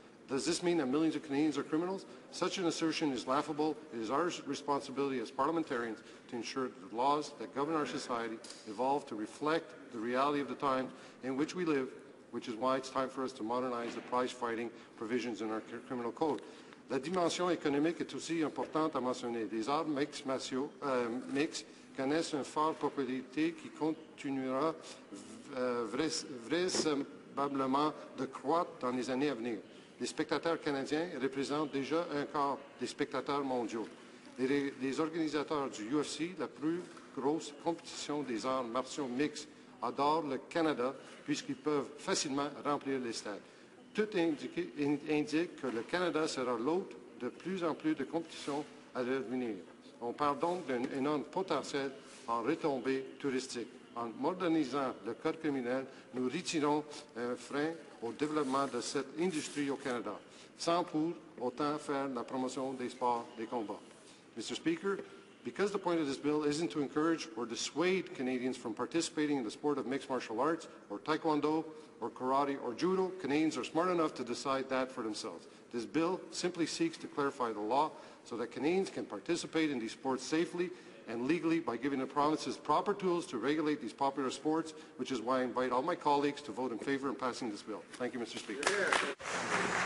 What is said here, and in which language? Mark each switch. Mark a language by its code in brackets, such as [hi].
[en] Does this mean that millions of Canadians are criminals? Such an assertion is laughable. It is our responsibility as parliamentarians to ensure that the laws that govern our society evolve to reflect the reality of the times in which we live, which is why it's time for us to modernize the prize-fighting provisions in our criminal code. [fr] La dimension économique est aussi importante à mentionner. Les arts mixtes connaissent une forte popularité qui continuera vraisemblablement de croître dans les années à venir. Les spectateurs canadiens représentent déjà un quart des spectateurs mondiaux. Les organisateurs du UFC, la plus grosse compétition des arts martiaux mixtes, adorent le Canada puisqu'ils peuvent facilement remplir les stades. Tout indique que le Canada sera l'hôte de plus en plus de compétitions à l'avenir. On parle donc d'un énorme potentiel en retombées touristiques. En modernisant le code criminel, nous retirons un frein au développement de cette industrie au Canada, sans pour autant faire la promotion des sports des combats. [en] Mr. Speaker, because the point of this bill isn't to encourage or dissuade Canadians from participating in the sport of mixed martial arts or taekwondo or karate or judo, Canadians are smart enough to decide that for themselves. This bill simply seeks to clarify the law so that Canadians can participate in these sports safely and legally by giving the provinces proper tools to regulate these popular sports, which is why I invite all my colleagues to vote in favour in passing this bill. Thank you, Mr. Speaker. Yeah.